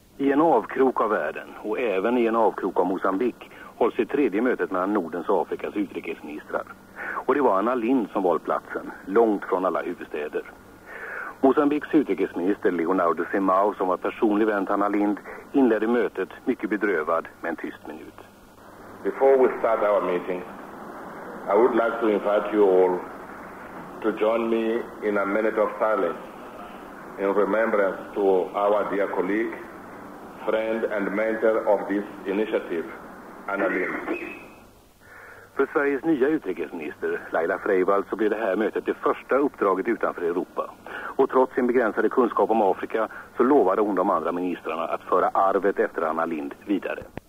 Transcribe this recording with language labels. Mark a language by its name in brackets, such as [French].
[Swedish] I en avkrok av världen och även i en avkrok av Mosambik hålls det tredje mötet mellan Nordens och Afrikas utrikesministrar. Och det var Anna Lindh som valt platsen, långt från alla huvudstäder. Mosambiks utrikesminister Leonardo Simao, som var personlig vän till Anna Lindh, inledde mötet mycket bedrövad med en tyst minut. [English] Before we start our meeting, I would like to invite you all to join me in a minute of silence in remembrance to our dear colleague, friend and mentor of this initiative, Anna Lindh. [Swedish] För Sveriges nya utrikesminister, Laila Freivalds, så blir det här mötet det första uppdraget utanför Europa. Och trots sin begränsade kunskap om Afrika så lovade hon de andra ministrarna att föra arvet efter Anna Lindh vidare.